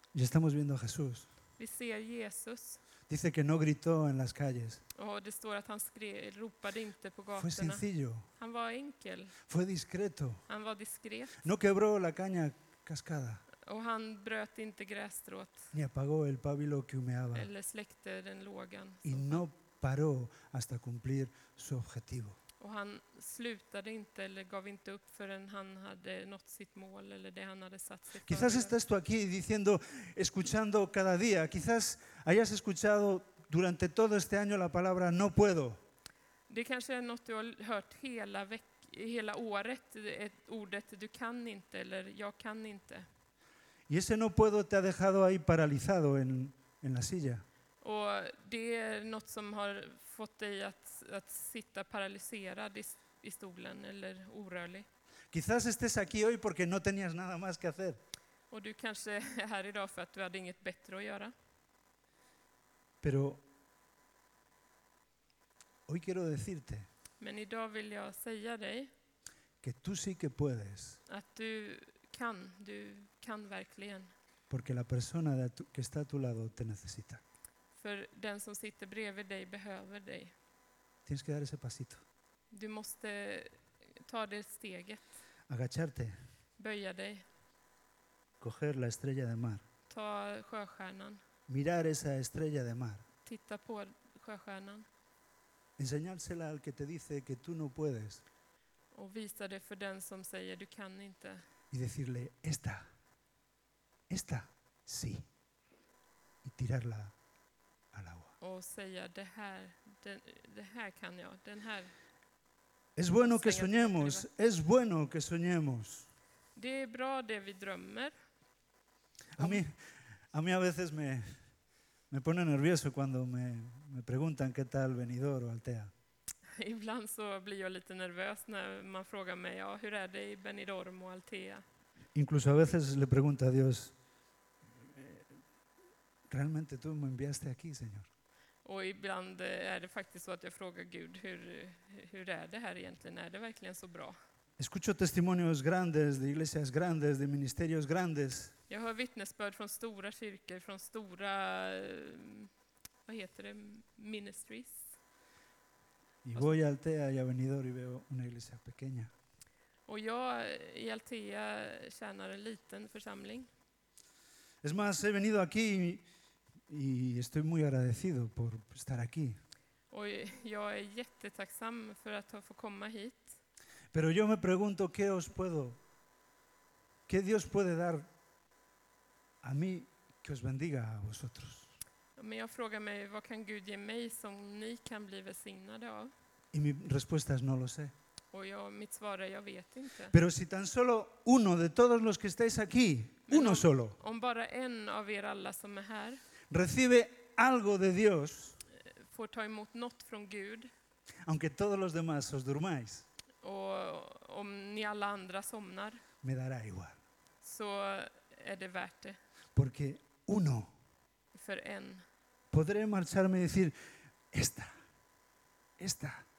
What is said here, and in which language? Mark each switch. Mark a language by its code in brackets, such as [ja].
[es] Y estamos viendo a Jesús. [sv] Vi ser Jesus. [es] Dice que no gritó en las calles. [sv] Och det står att han ropade inte på gatorna. [es] Fue sencillo. [sv] Han var enkel. [es] Fue discreto. [sv] Han var diskret. [es] No quebró la caña cascada. [sv] Och han bröt inte grässtrået. [es] Ni apagó el pábilo que humeaba. [sv] Eller släckte den lågan. [es] Y no paró hasta cumplir su objetivo. [sv] Och han slutade inte eller gav inte upp förrän han hade nått sitt mål eller det han hade satt sig. [es] Quizás estás tú aquí diciendo, escuchando cada día, quizás hayas escuchado durante todo este año la palabra no puedo. [sv] Det kanske är något du har hört hela året, ett ordet du kan inte eller jag kan inte. [es] Y ese no puedo te ha dejado ahí paralizado en la silla. [sv] Och det är något som har fått dig att sitta paralyserad i stolen eller orörlig. [es] Quizás estés aquí hoy porque no tenías nada más que hacer. [sv] Och du kanske är här idag för att du hade inget bättre att göra. [es] Pero hoy quiero decirte. [sv] Men idag vill jag säga dig. [es] Que tú sí que puedes. [sv] Att du kan verkligen. [es] Porque la persona que está a tu lado te necesita. [sv] För den som sitter bredvid dig behöver dig. [es] Tienes que dar ese pasito. [sv] Du måste ta det steget. [es] Agacharte. [sv] Böja dig. [es] Coger la estrella de mar. [sv] Ta sjöstjärnan. [es] Mirar esa estrella de mar. [sv] Titta på sjöstjärnan. [es] Enseñársela al que te dice que tú no puedes. [sv] Och visa det för den som säger du kan inte. [es] Y decirle esta sí. Y tirarla. [sv] Och säga det här kan jag, den här. [es] Es bueno que soñemos, es bueno que soñemos. [sv] Det är bra det vi drömmer. [es] A mí a veces me pone nervioso cuando me preguntan qué tal Benidorm o Altea. [sv] Ibland så blir jag lite nervös när man frågar mig, ja, hur är det i Benidorm och Altea? [es] Incluso a veces le pregunto a Dios, realmente tú me enviaste aquí, señor. [sv] Och ibland är det faktiskt så att jag frågar Gud hur är det här egentligen? Är det verkligen så bra? [es] Escucho testimonios grandes de iglesias grandes, de ministerios grandes. [sv] Jag hör vittnesbörd från stora kyrkor, från stora, vad heter det, ministries. [es] Y voy a Altea y a Benidorm y veo una iglesia pequeña. [sv] Och jag i Altea tjänar en liten församling. [es] Es más, he venido aquí y estoy muy agradecido por estar aquí. [sv] Och jag är jättetacksam för att ha fått komma hit. [es] Pero yo me pregunto qué Dios puede dar a mí que os bendiga a vosotros. [sv] Men jag frågar mig, vad kan Gud ge mig som ni kan bli välsignade av? [es] Y mi respuesta es no lo sé. [sv] Och mitt svar är jag vet inte. [es] Pero si tan solo uno de todos los que estáis aquí, uno solo. [sv] Om bara en av er alla som är här. [es] Recibe algo de Dios. [sv] Får ta emot något från Gud. [es] Aunque todos los demás os durmáis. [sv] Och om ni alla andra somnar. [es] Me dará igual. [sv] Så är det värt det. [es] Porque uno. [sv] För en. [es] Podré marcharme y decir esta.